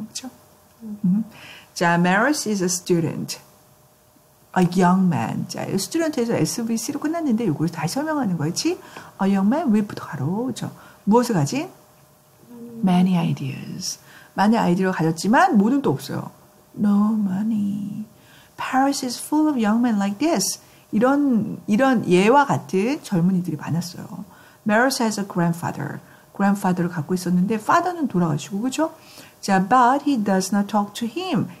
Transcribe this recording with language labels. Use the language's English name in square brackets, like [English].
[Korean] 그렇죠? 자, [English] Maris is a student. A young man. [Korean] 자, student에서 SVC로 끝났는데 이걸 다시 설명하는 거예요. 지? [English] A young man with 가로. [Korean] 그렇죠? 무엇을 가진? [English] Many ideas. [Korean] 많은 아이디어를 가졌지만 모든 또 없어요. [English] No money. Paris is full of young men like this. [Korean] 이런 예와 같은 젊은이들이 많았어요. [English] Maris has a grandfather. [Korean] Grandfather를 갖고 있었는데 father는 돌아가시고, 그쵸? [English] 자, but he does not talk to him.